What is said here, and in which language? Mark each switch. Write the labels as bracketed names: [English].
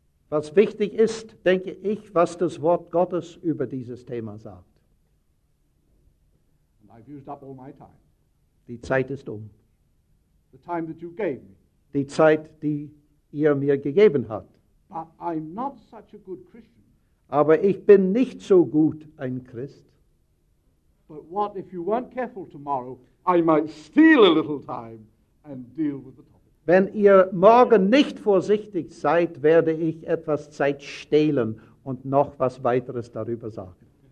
[German] Was wichtig ist, denke ich, was das Wort Gottes über dieses Thema sagt. [English] And I've used up all my time. [German] Die Zeit ist um. [English] The time that you gave me. [German] Die Zeit, die ihr mir gegeben habt. [English] But I'm not such a good Christian. [German] Aber ich bin nicht so gut ein Christ. [English] But what if you weren't careful tomorrow, I might steal a little time and deal with the topic. [German] Wenn ihr morgen nicht vorsichtig seid, werde ich etwas Zeit stehlen und noch was weiteres darüber sagen.